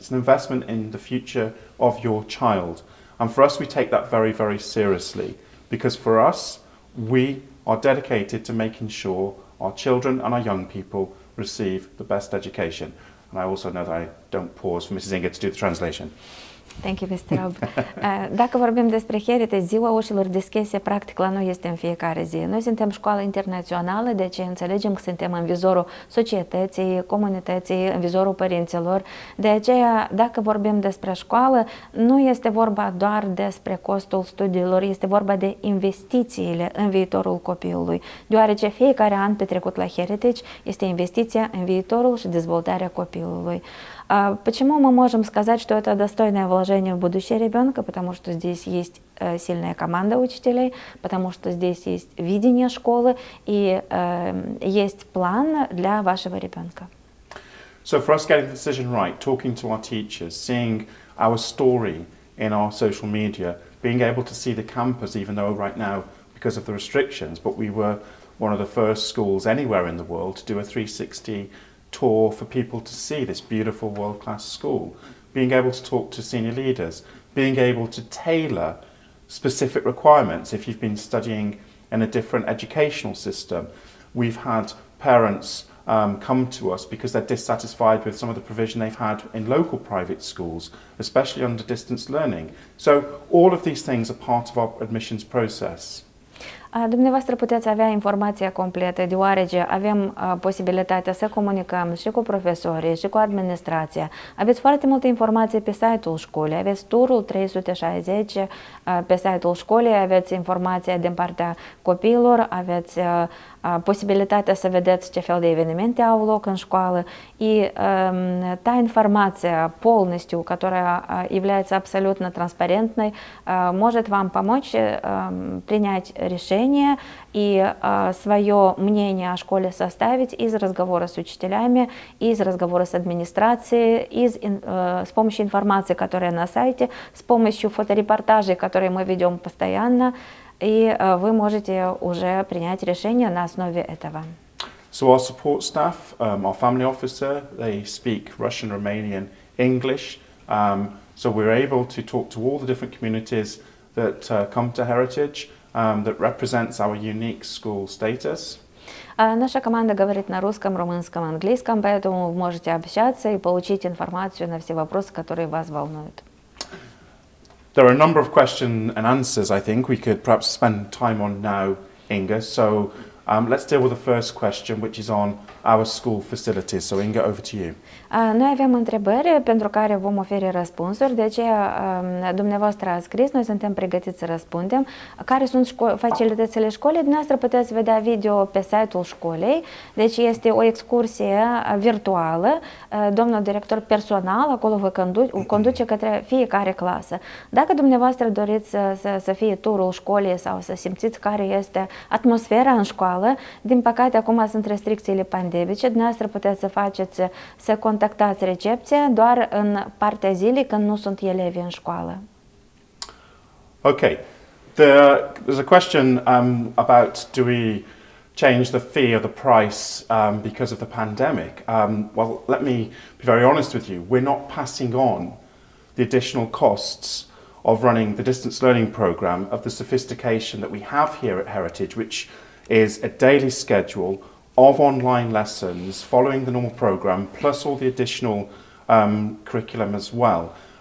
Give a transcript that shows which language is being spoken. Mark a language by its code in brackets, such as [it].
[en] It's an investment in the future of your child. And for us, we take that very, very seriously, because for us, we are dedicated to making sure our children and our young people receive the best education. And I also know that I don't pause for Mrs. Inga to do the translation. Thank you, Mr. Rob. [ro] Dacă vorbim despre Heritage, ziua ușilor deschise, practic la noi este în fiecare zi. Noi suntem școală internațională, deci înțelegem că suntem în vizorul societății, comunității, în vizorul părinților. De aceea, dacă vorbim despre școală, nu este vorba doar despre costul studiilor, este vorba de investițiile în viitorul copilului, deoarece fiecare an petrecut la Heritage este investiția în viitorul și dezvoltarea copilului. [ru] А почему мы можем сказать, что это достойное вложение в будущее ребенка? Потому что здесь есть сильная команда учителей, потому что здесь есть видение школы и есть план для вашего ребенка. [en] So for us getting the decision right, talking to our teachers, seeing our story in our social media, being able to see the campus, even though right now because of the restrictions, but we were one of the first schools anywhere in the world to do a 360 tour for people to see this beautiful world-class school, being able to talk to senior leaders, being able to tailor specific requirements if you've been studying in a different educational system. We've had parents come to us because they're dissatisfied with some of the provision they've had in local private schools, especially under distance learning. So all of these things are part of our admissions process. [ro] Dumneavoastră puteți avea informația completă, deoarece avem posibilitatea să comunicăm și cu profesorii și cu administrația. Aveți foarte multe informații pe site-ul școlii, aveți turul 360 pe site-ul școlii, aveți informația din partea copiilor, aveți posibilitatea să vedeți ce fel de evenimente au loc în școală și ta informația [ru] полностью, [ro] care [ru] является абсолютно [ro] transparentă, poate vă [ru] помочь принять решение и свое мнение о школе составить из разговора с учителями, из разговора с администрацией, с помощью информации, которая на сайте, с помощью фоторепортажей, которые мы ведем постоянно. И вы можете уже принять решение на основе этого. [en] So our support staff, our family officer, they speak Russian, Romanian, English. So we're able to talk to all the different communities that come to Heritage, that represents our unique school status. [ru] Наша команда говорит на русском, румынском, английском, поэтому вы можете общаться и получить информацию на все вопросы, которые вас волнуют. [en] There are a number of questions and answers, I think, we could perhaps spend time on now, Inga. So let's deal with the first question, which is on our school facilities. So Inga, over to you. [ro] Noi avem întrebări pentru care vom oferi răspunsuri, de aceea dumneavoastră a scris, noi suntem pregătiți să răspundem. Care sunt facilitățile școlii? Dumneavoastră puteți vedea video pe site-ul școlii, deci este o excursie virtuală, domnul director personal acolo vă conduce către fiecare clasă. Dacă dumneavoastră doriți să fie turul școlii sau să simțiți care este atmosfera în școală, din păcate acum sunt restricțiile pandemice, dumneavoastră puteți să faceți, să contactați recepția doar în partea zilei când nu sunt elevi în școală. [en] Okay. There's a question about do we change the fee or the price because of the pandemic. Well, let me be very honest with you. We're not passing on the additional costs of running the distance learning program of the sophistication that we have here at Heritage, which is a daily schedule of online lessons following the normal program, plus all the additional curriculum as well.